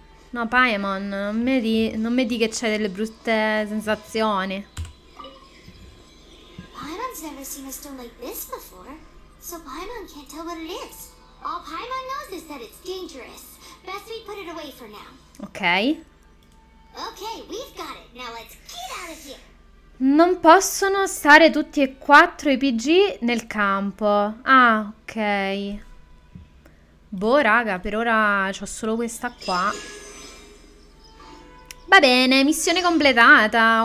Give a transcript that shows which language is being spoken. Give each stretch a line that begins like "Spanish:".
Italian: No, Paimon, non mi di che c'è delle brutte sensazioni.
English: Paimon's never seen a stone like this before. So Paimon can't tell what it is. All Paimon knows is that it's dangerous. Best we put it away for now. Ok. Ok, we've got it. Now let's get out of here.
Italian: Non possono stare tutti e quattro i PG nel campo. Ah, ok. Boh, raga, per ora c'ho solo questa qua. Va bene, missione completata.